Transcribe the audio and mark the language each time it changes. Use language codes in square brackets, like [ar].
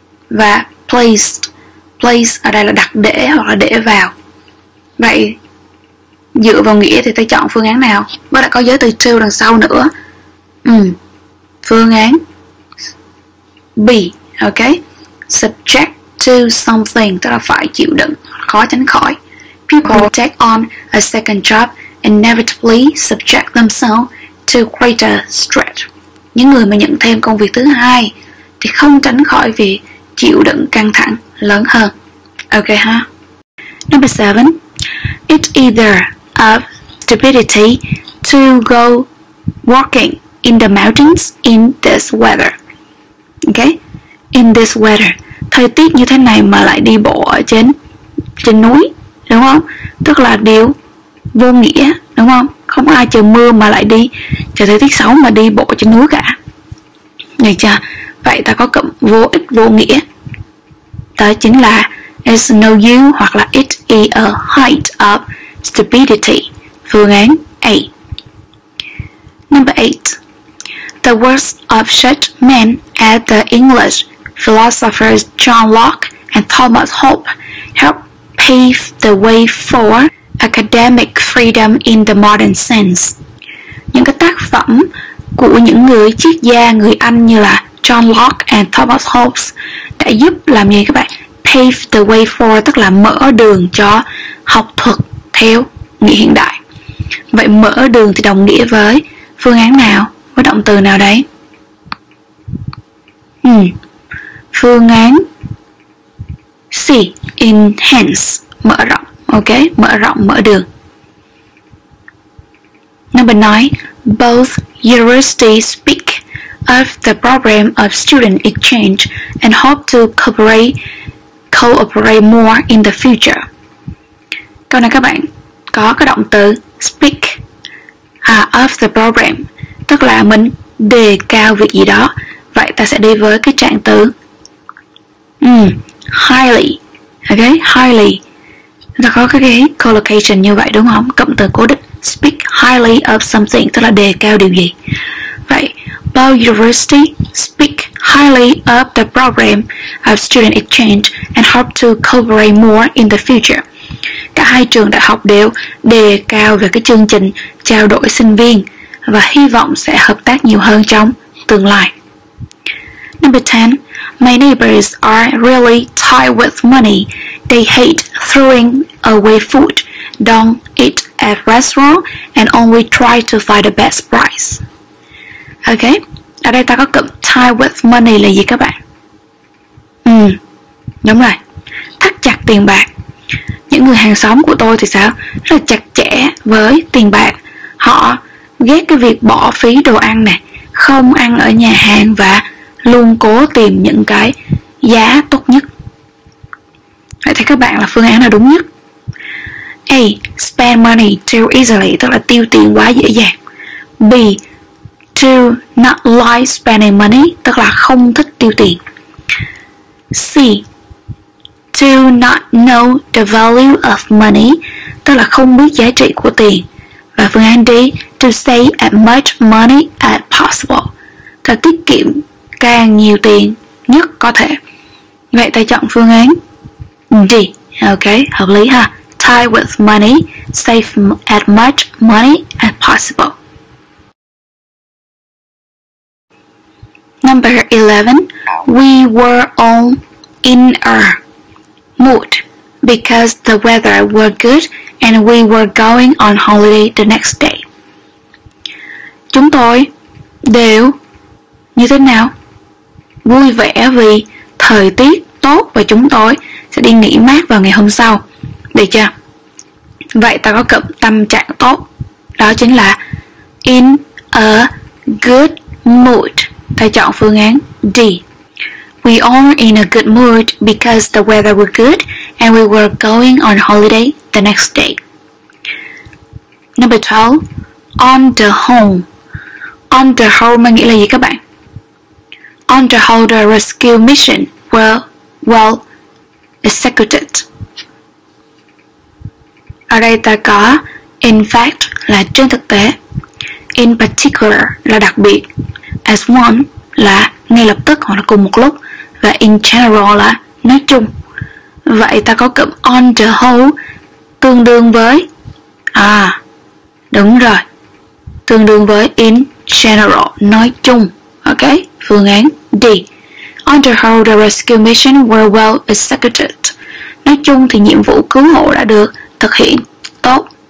[vi] Và place ở đây là đặt để hoặc là để vào. Vậy dựa vào nghĩa thì ta chọn phương án nào? Mới đã có giới từ to đằng sau nữa. Phương án B. Ok, [en] subject to something, [vi] tức là phải chịu đựng, khó tránh khỏi. [en] People who take on a second job inevitably subject themselves to greater stress. [vi] Những người mà nhận thêm công việc thứ hai thì không tránh khỏi việc chịu đựng căng thẳng lớn hơn. [en] Ok ha. Number 7. It's either a stupidity to go walking in the mountains in this weather. [vi] Ok, in this weather, thời tiết như thế này mà lại đi bộ ở trên núi, đúng không? Tức là điều vô nghĩa, đúng không? Không ai chờ mưa mà lại đi chờ thời tiết xấu mà đi bộ trên núi cả. Được chưa? Vậy ta có cụm vô ích vô nghĩa, đó chính là [en] it's no use [vi] hoặc là [en] it is a height of stupidity. [vi] Phương án A. [en] Number 8. The words of such men as the English philosophers John Locke and Thomas Hobbes helped pave the way for academic freedom in the modern sense. [vi] Những cái tác phẩm của những người triết gia người Anh như là John Locke and Thomas Hobbes đã giúp làm gì các bạn? [en] Pave the way for, [vi] tức là mở đường cho học thuật theo nghĩa hiện đại. Vậy mở đường thì đồng nghĩa với phương án nào? Với động từ nào đấy? Phương án C, enhance, mở rộng. Ok, mở rộng, mở đường. [en] Number 9. Both universities speak of the problem of student exchange and hope to cooperate more in the future. [vi] Câu này các bạn có cái động từ [en] speak of the problem, [vi] tức là mình đề cao việc gì đó. Vậy ta sẽ đi với cái trạng từ highly. Okay, highly. Ta có cái collocation như vậy đúng không? Cụm từ cố định [en] speak highly of something, [vi] tức là đề cao điều gì. Vậy [en] both university speak highly of the program of student exchange and hope to cooperate more in the future. [vi] Cả hai trường đại học đều đề cao về cái chương trình trao đổi sinh viên và hy vọng sẽ hợp tác nhiều hơn trong tương lai. [en] Number 10. My neighbors are really tight with money. They hate throwing away food, don't eat at restaurant, and only try to find the best price. [vi] Okay, ở đây ta có cụm [en] tight with money [vi] là gì các bạn? Đúng rồi, thắt chặt tiền bạc. Những người hàng xóm của tôi thì sao? Rất chặt chẽ với tiền bạc. Họ ghét cái việc bỏ phí đồ ăn nè, không ăn ở nhà hàng và luôn cố tìm những cái giá tốt nhất. Vậy thì các bạn là phương án nào đúng nhất? A. [en] Spend money too easily, [vi] tức là tiêu tiền quá dễ dàng. B. [en] To not like spending money, [vi] tức là không thích tiêu tiền. C. [en] To not know the value of money, [vi] tức là không biết giá trị của tiền. Và phương án D. [en] To save as much money as possible, [vi] ta tiết kiệm càng nhiều tiền nhất có thể. Vậy ta chọn phương án D. Ok, hợp lý ha. [en] Tie with money, save as much money as possible. Number 11. We were all in a mood because the weather was good and we were going on holiday the next day. [vi] Chúng tôi đều như thế nào? Vui vẻ vì thời tiết tốt và chúng tôi sẽ đi nghỉ mát vào ngày hôm sau. Được chưa? Vậy ta có cụm tâm trạng tốt, đó chính là [en] in a good mood. [vi] Ta chọn phương án D. [en] We are in a good mood because the weather was good and we were going on holiday the next day. Number 12. On the home. On the home [vi] mà nghĩa là gì các bạn? [en] On the whole, the rescue mission were well executed. [vi] Ở đây ta có [en] in fact [vi] là trên thực tế, [en] in particular [vi] là đặc biệt, [en] as one [vi] là ngay lập tức hoặc là cùng một lúc, và [en] in general [vi] là nói chung. Vậy ta có cụm [en] on the whole [vi] tương đương với đúng rồi, tương đương với [en] in general, [vi] nói chung. Ok, phương án D. [en] On the whole, the rescue mission were well executed. [vi] Nói chung thì nhiệm vụ cứu hộ đã được thực hiện tốt.